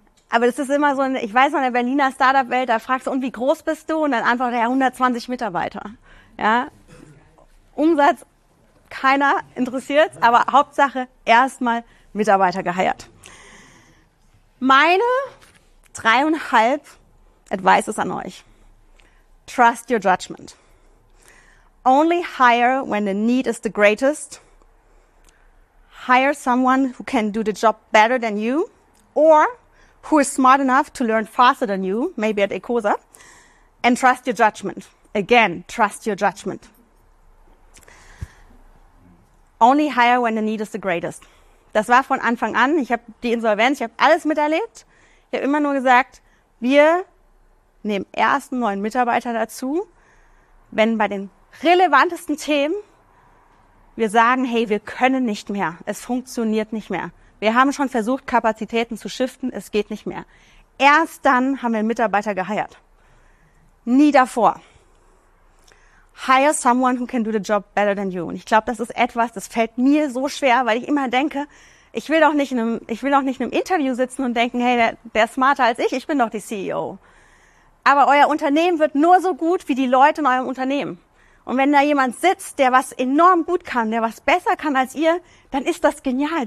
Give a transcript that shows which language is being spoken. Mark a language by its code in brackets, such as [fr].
[de] Aber das ist immer so, ich weiß noch, in der Berliner Startup-Welt, da fragst du, und wie groß bist du? Und dann antwortet er, ja, 120 Mitarbeiter. Ja? Umsatz, keiner interessiert es, aber Hauptsache erstmal Mitarbeiter geheiert. Meine 3,5 Advice ist an euch. [en] Trust your judgment. Only hire when the need is the greatest. Hire someone who can do the job better than you or who is smart enough to learn faster than you, maybe at Ecosa, and trust your judgment. Again, trust your judgment. Only hire when the need is the greatest. [de] Das war von Anfang an. Ich habe die Insolvenz, ich habe alles miterlebt. Ich habe immer nur gesagt, wir nehmen erst einen neuen Mitarbeiter dazu, wenn bei den relevantesten Themen wir sagen, hey, wir können nicht mehr. Es funktioniert nicht mehr. Wir haben schon versucht, Kapazitäten zu shiften. Es geht nicht mehr. Erst dann haben wir einen Mitarbeiter geheiert. Nie davor. [en] Hire someone who can do the job better than you. [de] Und ich glaube, das ist etwas, das fällt mir so schwer, weil ich immer denke, ich will doch nicht in einem Interview sitzen und denken, hey, der ist smarter als ich. Ich bin doch die CEO. Aber euer Unternehmen wird nur so gut wie die Leute in eurem Unternehmen. Und wenn da jemand sitzt, der was enorm gut kann, der was besser kann als ihr, dann ist das genial.